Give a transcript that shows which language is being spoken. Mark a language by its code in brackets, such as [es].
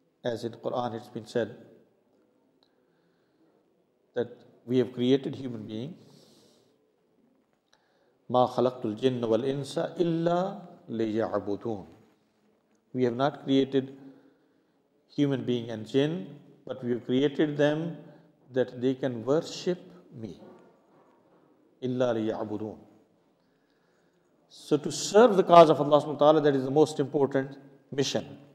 [en] As in Quran it's been said that we have created human being. [ar] ما خلقت الجن والانس الا ليعبدون. [en] We have not created human being and jinn, but we have created them that they can worship me. [ar] الا ليعبدون. [en] So to serve the cause of Allah subhanahu wa ta'ala, that is the most important mission.